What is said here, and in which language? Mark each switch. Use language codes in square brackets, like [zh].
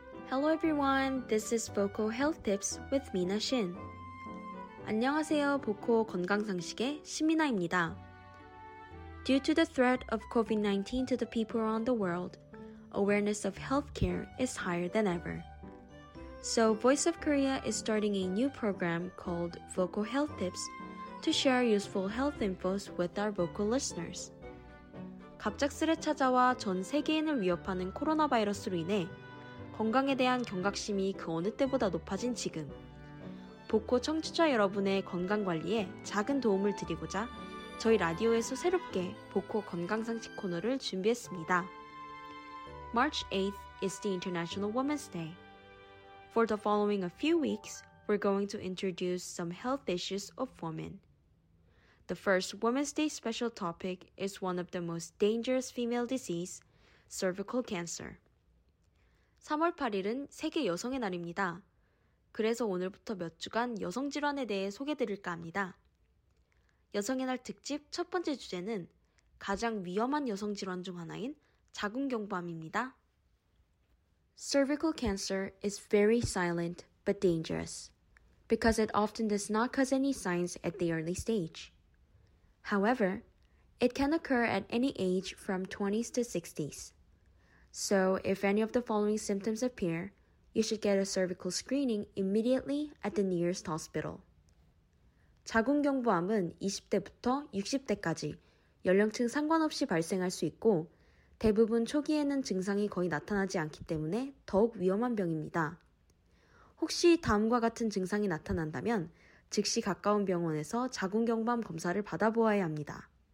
[en] Hello everyone, this is Vocal Health Tips with Mina Shin. [ko] 안녕하세요, 보코 건강상식의 신미나입니다. [en] Due to the threat of COVID-19 to the people around the world, awareness of healthcare is higher than ever. So Voice of Korea is starting a new program called Vocal Health Tips to share useful health infos with our vocal listeners. [ko] 갑작스레 찾아와 전 세계인을 위협하는 코로나 바이러스로 인해 건강에 대한 경각심이 그 어느 때보다 높아진 지금 보코 청취자 여러분의 건강관리에 작은 도움을 드리고자 저희 라디오에서 새롭게 보코 건강상식 코너를 준비했습니다. [en] March 8th is the International Women's Day. For the following a few weeks, we're going to introduce some health issues of women. The first Women's Day special topic is one of the most dangerous female disease, cervical cancer. [ko] 3월 8일은 세계 여성의 날입니다. 그래서 오늘부터 몇 주간 여성 질환에 대해 소개드릴까 합니다. 여성의 날 특집 첫 번째 주제는 가장 위험한 여성 질환 중 하나인 자궁경부암입니다. [en] Cervical cancer is very silent but dangerous because it often does not cause any signs at the early stage. However, it can occur at any age from 20s to 60s. So, if any of the following symptoms appear, you should get a cervical screening immediately at the nearest hospital. [ko] 자궁경부암은 20대부터 60대까지 연령층 상관없이 발생할 수 있고 대부분 초기에는 증상이 거의 나타나지 않기 때문에 더욱 위험한 병입니다. 혹시 다음과 같은 증상이 나타난다면 즉시 가까운 병원에서 자궁경부암 검사를 받아보아야 합니다.